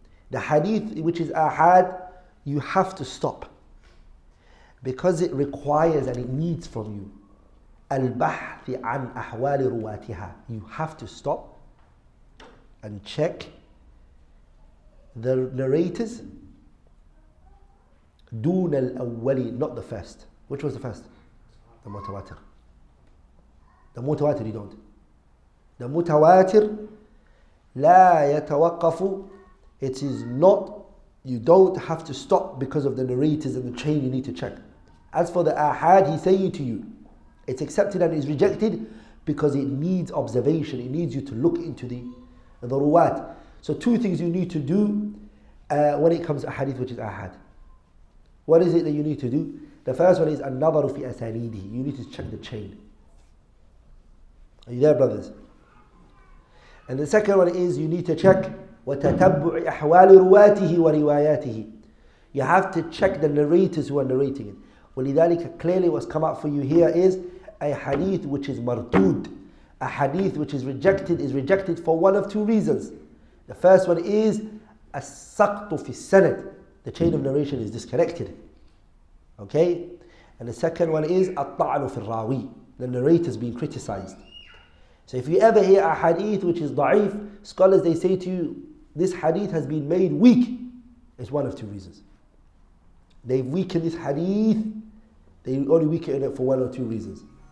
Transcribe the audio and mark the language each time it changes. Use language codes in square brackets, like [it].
[en] The hadith which is ahad, you have to stop. Because it requires and it needs from you. [ar] البحث عن أحوال رواتها. [en] You have to stop and check the narrators. [ar] دون الأولي, [en] not the first. Which was the first? The mutawatir. The mutawatir, you don't. The mutawatir, [ar] لا يتوقف. [en] It is not, you don't have to stop because of the narrators and the chain you need to check. As for the ahad, he's saying to you, it's accepted and it's rejected because it needs observation. It needs you to look into the ruwat. So two things you need to do when it comes to hadith, which is ahad. What is it that you need to do? The first one is [ar] النظر في أسانيده. [en] You need to check the chain. Are you there, brothers? And the second one is you need to check [ar] وتتبع أحوال رواته ورواياته. [en] You have to check the narrators who are narrating it. ولذلك clearly what's come up for you here is a hadith which is مردود. A hadith which is rejected for one of two reasons. The first one is [ar] السقط في السند. [en] The chain of narration is disconnected. Okay? And the second one is [ar] الطعن في الراوي. [en] The narrator is being criticized. So if you ever hear a hadith which is ضعيف, scholars they say to you, this hadith has been made weak. It's one of two reasons. They've weakened this hadith, they only weakened it for one or two reasons.